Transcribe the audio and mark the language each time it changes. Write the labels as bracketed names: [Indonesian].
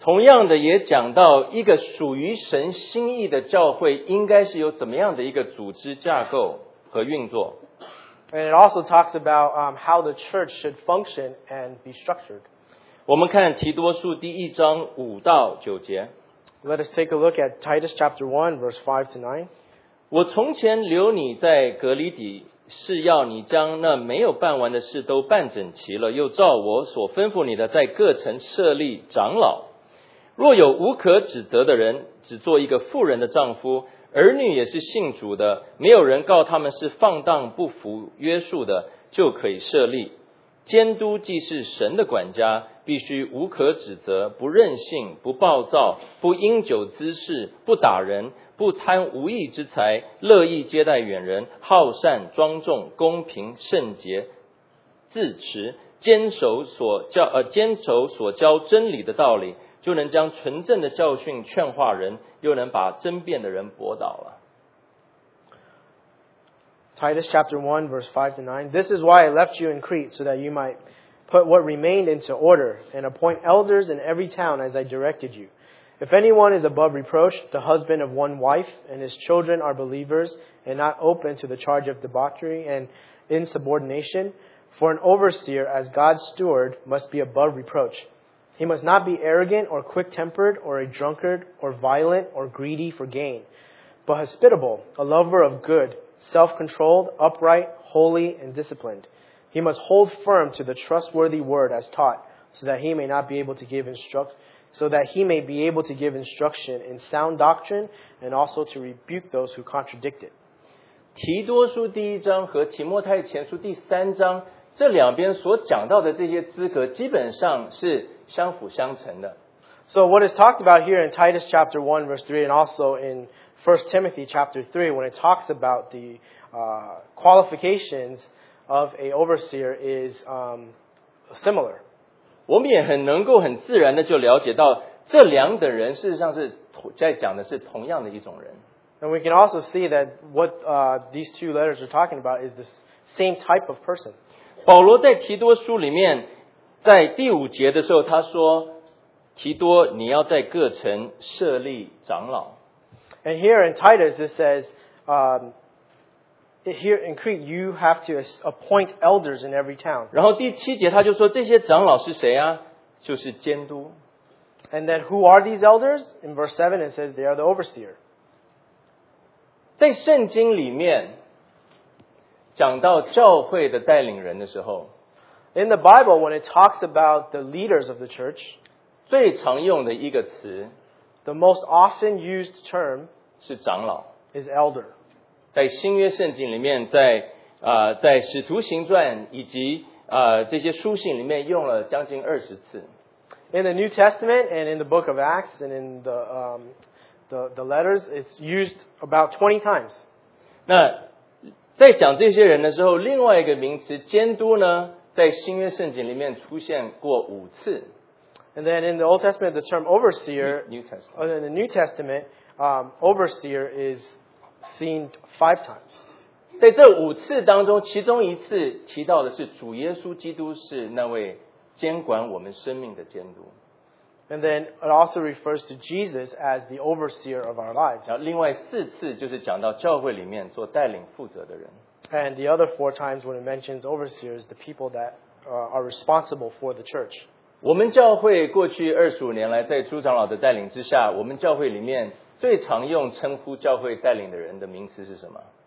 [Chinese] 同样的也讲到一个属于神心意的教会应该是有怎么样的一个组织架构和运作。 [English] And it also talks about how the church should function and be structured. [Chinese] 我们看提多书第一章五到九节。 [English] Let us take a look at Titus chapter 1, verse 5 to 9. [Chinese] 我从前留你在格里底是要你将那没有办完的事都办整齐了，又照我所吩咐你的，在各城设立长老。若有无可指责的人，只做一个妇人的丈夫，儿女也是信主的，没有人告他们是放荡不服约束的，就可以设立监督。既是神的管家，必须无可指责，不任性，不暴躁，不饮酒滋事，不打人，不贪无义之财，乐意接待远人，好善庄重，公平圣洁，自持坚守所教真理的道理，就能将纯正的教训劝化人，又能把争辩的人驳倒了。 [English] Titus chapter 1 verse 5 to 9. This is why I left you in Crete, so that you might put what remained into order and appoint elders in every town as I directed you. If anyone is above reproach, the husband of one wife, and his children are believers, and not open to the charge of debauchery and insubordination, for an overseer, as God's steward, must be above reproach. He must not be arrogant or quick-tempered or a drunkard or violent or greedy for gain, but hospitable, a lover of good, self-controlled, upright, holy, and disciplined. He must hold firm to the trustworthy word as taught, so that he may be able to give instruction in sound doctrine and also to rebuke those who contradict it. [Chinese] 提多书第一章和提摩太前书第三章这两边所讲到的这些资格基本上是相辅相成的。 [English] So what is talked about here in Titus chapter 1 verse 3 and also in 1 Timothy chapter 3 when it talks about the qualifications of an overseer is similar. [Chinese] 我们也很能够很自然的就了解到这两等人事实上是在讲的是同样的一种人。 [English] And we can also see that what these two letters are talking about is the same type of person. [Chinese] 保罗在提多书里面在第五节的时候他说提多你要在各城设立长老。 [English] And here in Titus it says, here in Crete you have to appoint elders in every town. [Chinese] 然后第七节他就说这些长老是谁啊就是监督。 [English] And then who are these elders? In verse 7 it says they are the overseer. [Chinese] 在圣经里面讲到教会的带领人的时候 [English] In the Bible when it talks about the leaders of the church [Chinese] 最常用的一个词 [English] The most often used term [Chinese] 是长老 [English] is elder. [Chinese] 在新约圣经里面 在使徒行传以及这些书信里面用了将近20次。 [English] In the New Testament and in the book of Acts and in the letters, it's used about 20 times. [Chinese] 那在讲这些人的时候，另外一个名词监督呢，在新约圣经里面出现过五次。 [English] And then in the Old Testament, the term overseer, New Testament. In the New Testament, overseer is seen 5 times. [Chinese] 在这五次当中，其中一次提到的是主耶稣基督是那位监管我们生命的监督。 [English] And then it also refers to Jesus as the overseer of our lives. [Chinese] 然后另外四次就是讲到教会里面做带领负责的人。 [English] And the other 4 times when it mentions overseers, the people that are responsible for the church. [Chinese] 我们教会过去25年来在朱长老的带领之下，我们教会里面最常用称呼教会带领的人的名词是什么？